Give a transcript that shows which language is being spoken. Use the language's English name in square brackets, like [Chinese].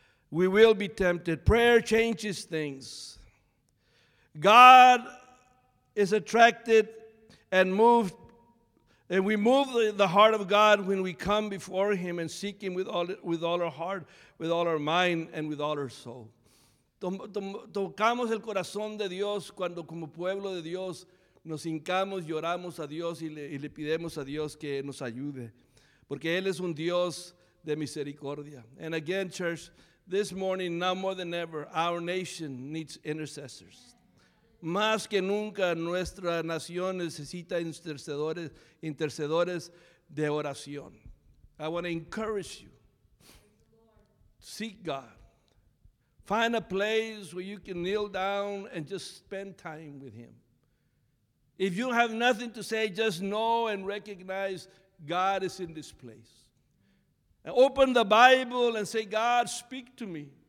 [English] We will be tempted. Prayer changes things. God is attracted and moved, and we move the heart of God when we come before him and seek him with all our heart, with all our mind, and with all our soul. [Spanish] Tocamos el corazón de Dios cuando como pueblo de Dios nos hincamos, lloramos a Dios y le pidemos a Dios que nos ayude, porque Él es un Dios de misericordia. [English] And again, church, this morning, now more than ever, our nation needs intercessors. [Spanish] Más que nunca, nuestra nación necesita intercedores de oración. [English] I want to encourage you. Seek God. Find a place where you can kneel down and just spend time with Him. If you have nothing to say, just know and recognize God is in this place. And open the Bible and say, God, speak to me.